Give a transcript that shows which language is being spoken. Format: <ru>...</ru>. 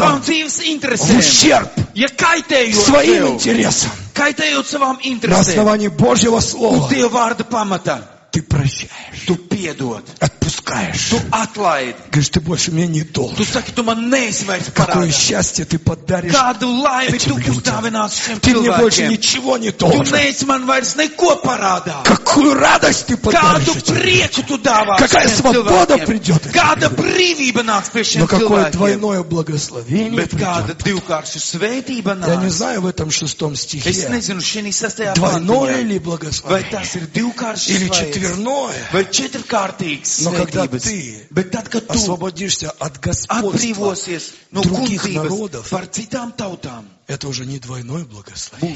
<lv>savām dzīves interesēm</lv> <ru>в ущерб</ru> <lv>ja kaitējot</lv> <ru>своим интересам</ru> <lv>kaitējot savām interesēm</lv> <ru>на основании Божьего слова</ru> <lv>uz Dieva vārda pamata</lv> <ru>ты прощаешь.</ru> <lv>Tu piedod.</lv> <ru>Отпускаешь.</ru> <lv>Tu atlaid.</lv> <ru>Говоришь, ты больше мне не должен.</ru> <lv>Tu saki, tu man neesi vairs parādā.</lv> <ru>Какое счастье ты подаришь</ru> <lv>Kādu laimi tu uzdāvināsi šiem cilvēkiem.</lv> <ru>Ты мне больше ничего не должен.</ru> <lv>Tu neesi man vairs neko parādā.</lv> <ru>Какую радость ты подаришь этим людям.</ru> <lv>Kādu prieku tu dāvāsi šiem cilvēkiem.</lv> <ru>Какая свобода придет.</ru> <lv>Kāda brīvība nāks pie šiem cilvēkiem.</lv> <ru>Но какое двойное благословение</ru> <lv>Bet kāda divkārša svētība nāks.</lv> <ru>Я не знаю в этом шестом стихе.</ru> <lv>Es nezinu, šī sastajā</lv> <ru>двойное ли благословение.</ru> <lv>Vai tas ir divkārša svētība.</lv> <ru>Четверное.</ru> <lv>Vai četrkārtīgs svētības. Bet tad, kad tu</lv> <ru>освободишься от господства</ru> <lv>atbrīvosies no</lv> <ru>других народов,</ru> <lv>par citām tautām,</lv> <ru>это уже не двойное благословение.</ru>